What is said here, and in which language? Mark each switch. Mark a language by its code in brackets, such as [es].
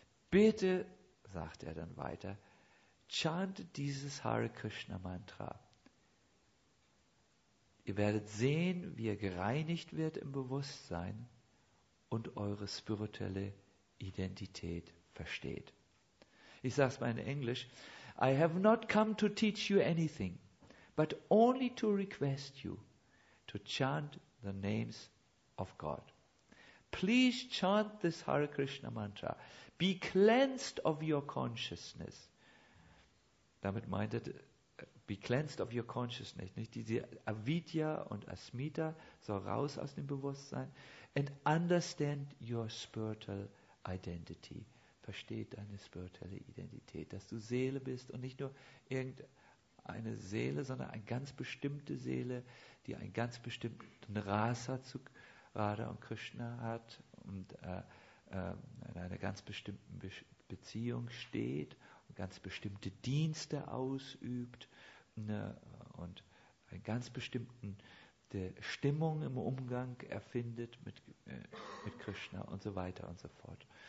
[de] Bitte, sagt er dann weiter, chantet dieses Hare Krishna Mantra. Ihr werdet sehen, wie er gereinigt wird im Bewusstsein und eure spirituelle Identität versteht. Ich sage es mal in Englisch. [en] I have not come to teach you anything, but only to request you to chant the names of God. Please chant this Hare Krishna Mantra. Be cleansed of your consciousness. [de] Damit meint er, [en] be cleansed of your consciousness, [de] nicht? Diese Avidya und Asmita soll raus aus dem Bewusstsein. [en] And understand your spiritual identity. [de] Versteht deine spirituelle Identität, dass du Seele bist und nicht nur irgendeine Seele, sondern eine ganz bestimmte Seele, die einen ganz bestimmten Rasa zu Radha und Krishna hat und in einer ganz bestimmten Beziehung steht und ganz bestimmte Dienste ausübt, ne, und eine ganz bestimmte Stimmung im Umgang erfindet mit Krishna und so weiter und so fort.